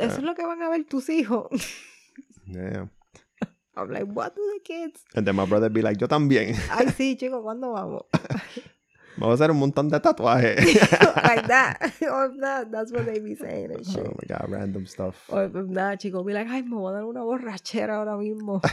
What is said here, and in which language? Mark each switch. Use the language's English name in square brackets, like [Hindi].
[Spanish] Eso es lo que van a ver tus hijos. [English] Yeah. I'm like, what do the kids? And then my brother be like, [Spanish] "Yo también." Ay, sí, chico, ¿cuándo vamos? Me voy a hacer un montón de tatuajes. [English] Like that. Or if not, that's what they be saying and shit. Oh my God, random stuff. Or if not, [Spanish] chico, be like, "Ay, me voy a dar una borrachera ahora mismo.